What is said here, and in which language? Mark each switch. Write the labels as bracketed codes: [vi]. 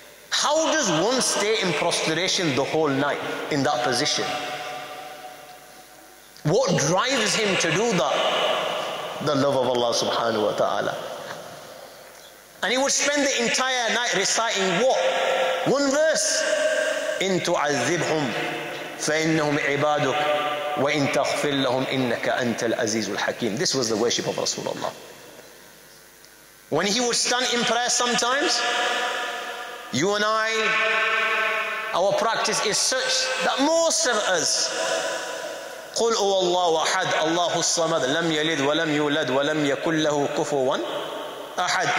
[en] How does one stay in prostration the whole night in that position? What drives him to do that? The love of Allah subhanahu wa ta'ala. And he would spend the entire night reciting what? One verse. [ar] إِن تُعَذِّبْهُمْ فَإِنَّهُمْ عِبَادُكَ وَإِنْ تَغْفِرْ لَهُمْ إِنَّكَ أَنْتَ الْعَزِيزُ الْحَكِيمُ. [en] This was the worship of Rasulullah. When he would stand in prayer sometimes, you and I, our practice is such that most of us, [ar] قُلْ أُوَ اللَّهُ أَحَدُ اللَّهُ الصَّمَدُ لَمْ يَلِدْ وَلَمْ يُولَدْ وَلَمْ يَكُنْ لَهُ كُفُوًا أَحَدْ.